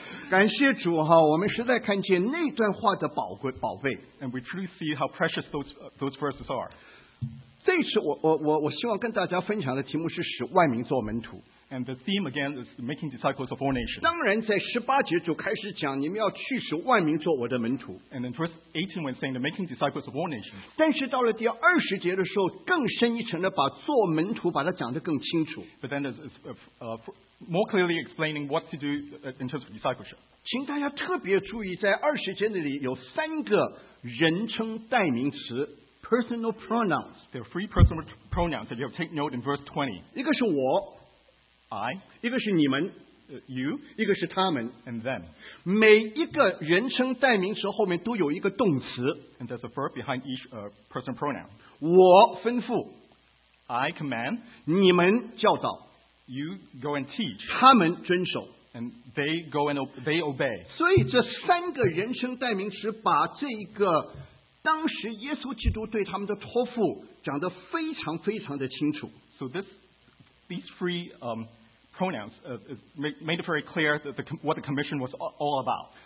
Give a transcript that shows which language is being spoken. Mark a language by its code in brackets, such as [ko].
[zh] 感谢主哈，我们实在看见那段话的宝贵宝贝。 [en] And we truly see how precious those verses are. [zh] 这次我希望跟大家分享的题目是使万民做门徒。 [en] And the theme again is making disciples of all nations. [zh] 当然在18节就开始讲你们要去使万民做我的门徒。 [en] And in verse 18 when saying the making disciples of all nations. [zh] 但是到了第20节的时候, 更深一层的把做门徒把它讲得更清楚。 [en] But then it's more clearly explaining what to do in terms of discipleship. [zh] 请大家特别注意, 在20节那里有三个人称代名词, [en] personal pronouns. There are three personal pronouns that you have to take note in verse 20. [zh] 一个是我, [en] I, [zh] 一个是你们, [en] you, [zh] 一个是他们, [en] and them. [zh] 每一个人称代名词后面都有一个动词, [en] and there's a verb behind each personal pronoun. [zh] 我吩咐, [en] I command, [zh] 你们教导, [en] you go and teach, [zh] 他们遵守, [en] and they go and they obey. [zh] 所以这三个人称代名词把这一个当时耶稣基督对他们的托付讲得非常非常的清楚。 [en] So these three pronouns made it very clear that what the commission was all about.